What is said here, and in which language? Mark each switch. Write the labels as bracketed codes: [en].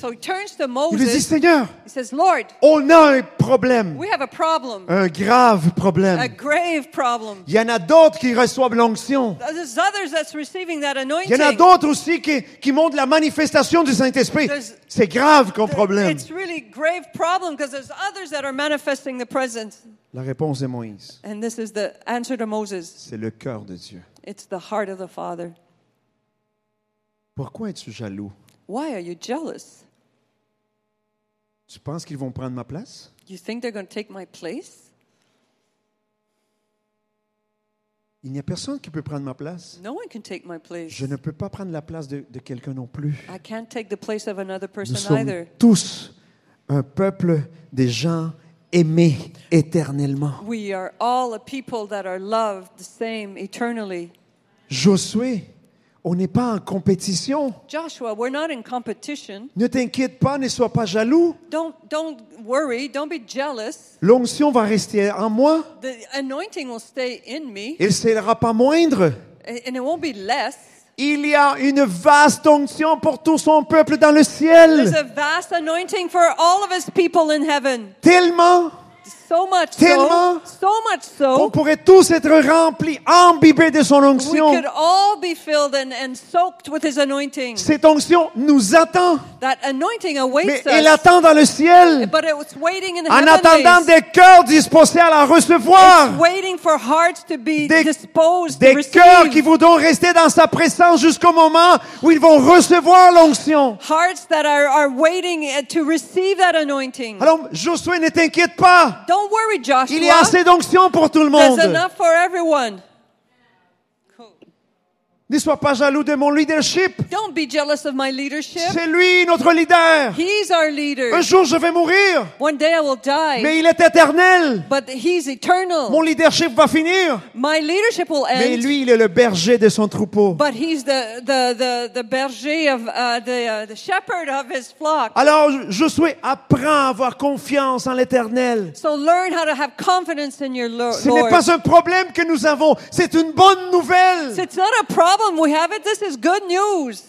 [en] So he turns to Moses. [fr] Il lui dit, Seigneur, [en] he says, Lord, [fr] on a un problème. [en] We have a problem. [fr] Un grave problème. [en] A grave problem. [fr] Il y en a d'autres qui reçoivent l'onction. [en] There's others that's receiving that anointing. [fr] Il y en a d'autres aussi qui montrent la manifestation du Saint-Esprit. C'est grave comme problème. [en] It's really grave problem because there's others that are manifesting the presence. [fr] La réponse de Moïse. [en] And this is the answer to Moses. [fr] C'est le cœur de Dieu. [en] It's the heart of the Father. [fr] Pourquoi es-tu jaloux? [en] Why are you jealous? [fr] Tu penses qu'ils vont prendre ma place? [en] You think they're going to take my place? [fr] Il n'y a personne qui peut prendre ma place. [en] No one can take my place. [fr] Je ne peux pas prendre la place de quelqu'un non plus. [en] I can't take the place of another person either. [fr] Nous sommes tous un peuple des gens aimé éternellement. [en] We are all a people that are loved the same eternally. [fr] Josué, on n'est pas en compétition. [en] Joshua, we're not in competition. [fr] Ne t'inquiète pas, ne sois pas jaloux. [en] Don't worry, don't be jealous. [fr] L'onction va rester en moi. [en] The anointing will stay in me. [fr] Elle ne sera pas moindre. [en] And it won't be less. [fr] Il y a une vaste onction pour tout son peuple dans le ciel. [en] There's a vast anointing for all of his people in heaven. [fr] Tellement. [en] So much [fr] tellement, [en] so. So much so. [fr] On pourrait tous être remplis, imbibés de son onction. [en] We could all be filled and soaked with his anointing. [fr] Cette onction nous attend. [en] That anointing awaits [fr] mais [en] us. [fr] Elle attend dans le ciel. [en] But it's waiting in the [fr] heavens. En attendant des cœurs disposés à la recevoir. [en] It's waiting for hearts to be disposed to receive. [fr] Des cœurs qui voudront rester dans sa présence jusqu'au moment où ils vont recevoir l'onction. [en] Hearts that are waiting to receive that anointing. [fr] Alors, Josué, ne t'inquiète pas. [en] Don't worry, Joshua. [fr] Il y a assez d'onction pour tout le monde. [en] There's enough for everyone. [fr] Ne sois pas jaloux de mon leadership. [en] Don't be jealous of my leadership. [fr] C'est lui notre leader. [en] He's our leader. [fr] Un jour je vais mourir. [en] One day I will die. [fr] Mais il est éternel. [en] But he's eternal. [fr] Mon leadership va finir. [en] My leadership will end. [fr] Mais lui il est le berger de son troupeau. [en] But he's the berger of the shepherd of his flock. [fr] Alors je souhaite apprendre à avoir confiance en l'Éternel. [en] So learn how to have confidence in your Lord. [fr] Ce n'est pas un problème que nous avons, c'est une bonne nouvelle. [en] It's not a problem we have it. This is good news.